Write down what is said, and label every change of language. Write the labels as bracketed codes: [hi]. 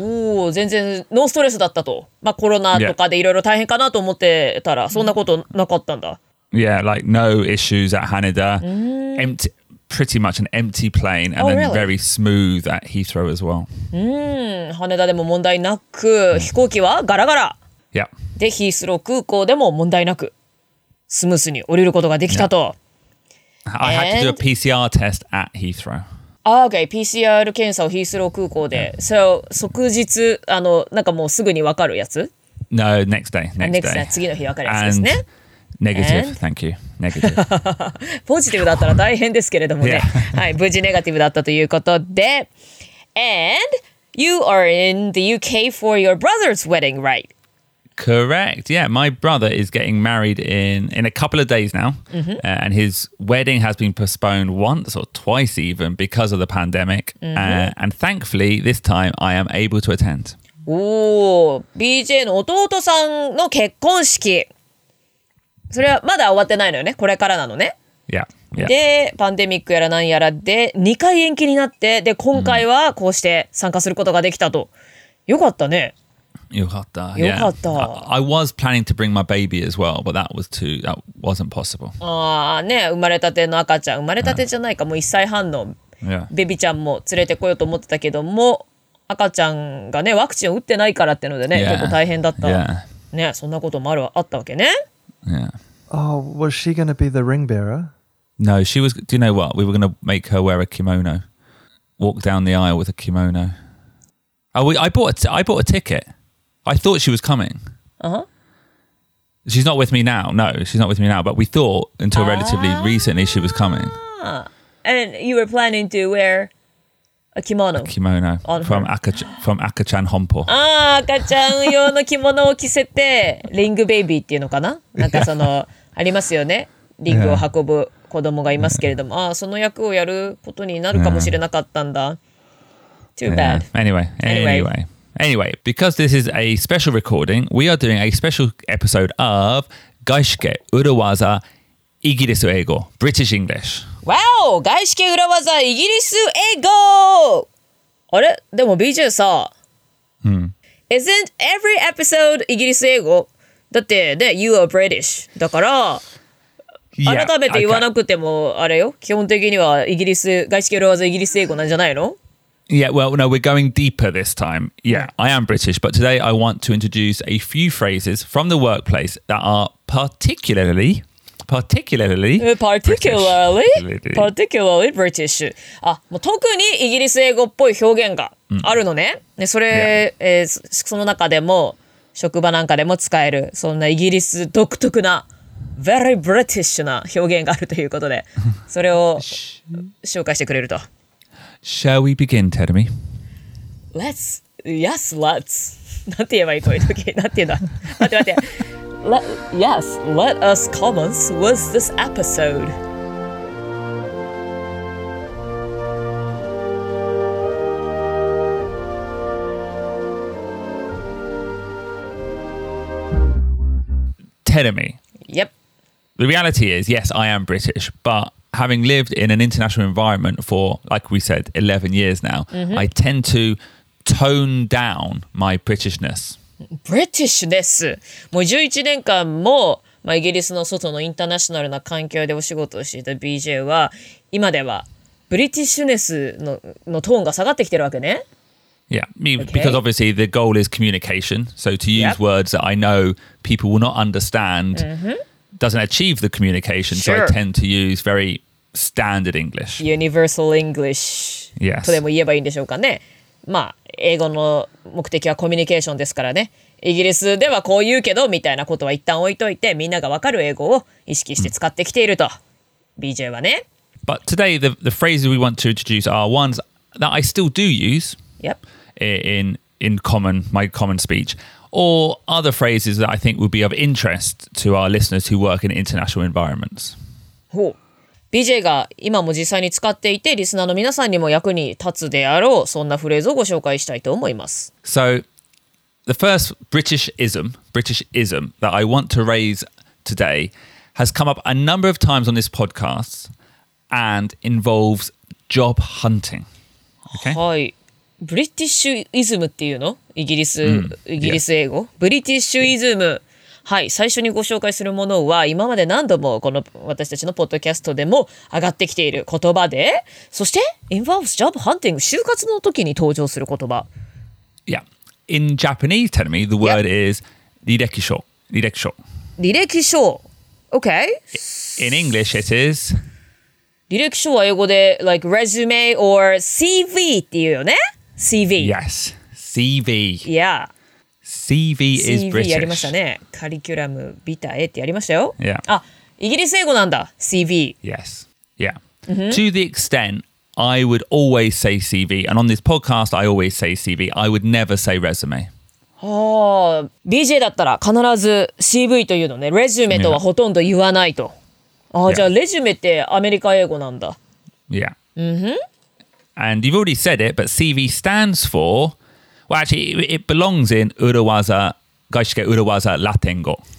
[ja] おー、全然ノーストレスだったと。まあ、コロナとかでいろいろ大変かなと思ってたら、そんなことなかったんだ。 [en] Yeah, like no issues at Haneda. Empty... Pretty much an empty plane, and then very smooth at Heathrow as well. [ja] Haneda でも問題なく、飛行機はガラガラ。 [en] Yeah. [ja] で、ヒースロー空港でも問題なく、スムースに降りることができたと。 [en] Yeah. I had to do a PCR test at Heathrow. [ja] Okay, PCR 検査をヒースロー空港で。So, 即日、あの、なんかもうすぐに分かるやつ？ [en] No, next day. Next day. [ja] 次の日分かるやつですね。 [en] Negative, thank you. Negative. [ja] Positive だったら大変ですけれどもね。はい、無事ネガティブだったということで。 [en] And you are in the UK for your brother's wedding, right? Correct. Yeah, my brother is getting married in a couple of days now. Mm-hmm. And his wedding has been postponed once or twice even because of the pandemic. Mm-hmm. And thankfully, this time I am able to attend. [ja] Oh, BJ の弟さんの結婚式。それはまだ終わってないのよね。これからなのね。 [en] Yeah, yeah. [ja] で、パンデミックやらなんやらで2回延期になって、で今回はこうして参加することができたと。よかったね。よかった。よかった。 [en] Yeah. I was planning to bring my baby as well, but that wasn't possible. [ja] ああね、生まれたての赤ちゃん、生まれたてじゃないか、もう1歳半のベビちゃんも連れてこようと思ってたけども、赤ちゃんがね、ワクチンを打ってないからってのでね、結構大変だった。 [en] Yeah. [ja] ね、そんなこともあったわけね。 [en] Yeah. Oh, was she going to be the ring bearer? No, she was. Do you know what? We were going to make her wear a kimono. Walk down the aisle with a kimono. I bought a ticket. I thought she was coming. Uh-huh. She's not with me now. No, she's not with me now. But we thought until relatively recently she was coming. And you were planning to wear... A kimono. From Akachan Honpo. [ja] Ah, Akachan 用の着物を着せて、リングベイビーっていうのかな？なんかその、ありますよね。リングを運ぶ子供がいますけれども、ああ、その役をやることになるかもしれなかったんだ。 [en] Too bad. Anyway. Anyway, because this is a special recording, we are doing a special episode of Gaishike Urawaza Igirisu Eigo, British English. Wow! Gaishike Urawaza Igirisu Eigo! Are? But BJ, isn't every episode Igirisu Eigo? Because you are British. [ja] So,改めて言わなくてもあれよ。基本的にはイギリス、Gaishike Urawaza Igirisu Eigo なんじゃないの？ [en] Yeah, well, no, we're going deeper this time. Yeah, I am British, but today I want to introduce a few phrases from the workplace that are particularly British. [ja] あ、もう特にイギリス英語っぽい表現があるのね。ね、それ、yeah. その中でも職場なんかでも使える、そんなイギリス独特な [en] very British [ja] な表現があるということで、それを紹介してくれると。 [en] Shall we begin, Terumi? Let's. Yes, let's. What do you mean? What do you mean? Wait, wait, wait. Yes, let us commence with this episode. Terumi. Yep. The reality is, yes, I am British, but having lived in an international environment for, like we said, 11 years now, mm-hmm. I tend to tone down my Britishness. Britishness? [ja] もう11年間も、まあ、イギリスの外のインターナショナルな環境でお仕事をしていた BJ は、今では Britishness のトーンが下がってきてるわけね。 [en] Yeah, me, okay. Because obviously the goal is communication. So to use yep. words that I know people will not understand, mm-hmm. doesn't achieve the communication, sure. so I tend to use very standard English. Universal English. Yes. [ja] とでも言えばいいんでしょうかね。まあ、英語の目的はコミュニケーションですからね。イギリスではこう言うけどみたいなことは一旦置いといて、みんながわかる英語を意識して使ってきていると。 BJ はね。 [en] But today, the phrases we want to introduce are ones that I still do use yep. in my common speech. Or other phrases that I think would be of interest to our listeners who work in international environments. [ja] ほう。 BJ が今も実際に使っていて、リスナーの皆さんにも役に立つであろう、そんなフレーズをご紹介したいと思います。 [en] So, the first British-ism that I want to raise today has come up a number of times on this podcast and involves job hunting. Okay? はい。 [ja] ブリティッシュイズムっていうの？イギリス、イギリス英語、yeah. ブリティッシュイズム、yeah. はい、最初にご紹介するものは今まで何度もこの私たちのポッドキャストでも上がってきている言葉で、そして [en] involves job hunting、 [ja] 就活の時に登場する言葉。 [en] Yeah, in Japanese, tell me, the word、yeah. is 履歴書。 [ja] 履歴書、okay. [en] In English, it is [ja] 履歴書は英語で [en] like resume or CV [ja] っていうよね。 [en] CV. Yes. CV. Yeah. CV is CV British. [ja] CV やりましたね。カリキュラムビタエってやりましたよ。 [en] Yeah. [ja] あ、イギリス英語なんだ。 [en] CV. Yes. Yeah.、Mm-hmm. To the extent, I would always say CV. And on this podcast, I always say CV. I would never say resume. [ja] Oh, BJ だったら必ず CV というのね。レジュメとはほとんど言わないと。あ、yeah. じゃあレジュメってアメリカ英語なんだ。 [en] Yeah. Mm-hmm. And you've already said it, but CV stands for, well, actually, it belongs in Urawaza, Gaishike Urawaza Latin 語.